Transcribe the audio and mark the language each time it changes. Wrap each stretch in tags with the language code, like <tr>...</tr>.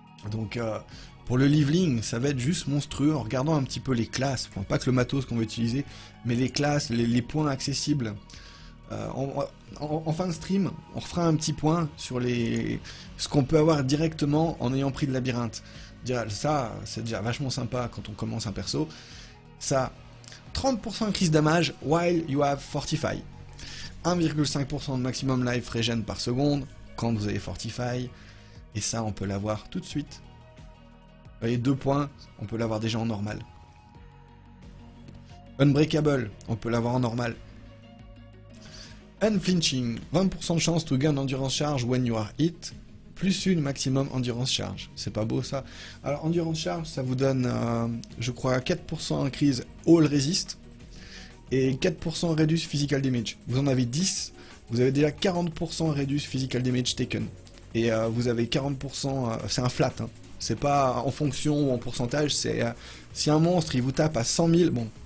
<fr>Donc pour le leveling, ça va être juste monstrueux en regardant un petit peu les classes. Enfin, pas que le matos qu'on veut utiliser, mais les classes, les points accessibles. En fin de stream, on refera un petit point sur ce qu'on peut avoir directement en ayant pris le labyrinthe. Ça, c'est déjà vachement sympa quand on commence un perso.</fr> <en>Ça, 30% increase damage while you have fortify.</en> <fr>1,5% de maximum life regen par seconde quand vous avez fortify. Et ça, on peut l'avoir tout de suite. Vous voyez, 2 points, on peut l'avoir déjà en normal. Unbreakable, on peut l'avoir en normal.</fr> <en>Unflinching, 20% de chance to gain endurance charge when you are hit.</en> <fr>Plus une maximum endurance charge. C'est pas beau ça. Alors endurance charge, ça vous donne, je crois, 4%</fr> <en>increase all resist.</en> <fr>Et 4% reduce physical damage. Vous en avez 10. Vous avez déjà 40% reduce physical damage taken. Et vous avez 40%, c'est un flat. Hein. C'est pas en fonction ou en pourcentage. C'est si un monstre il vous tape à 100 000, bon,</fr>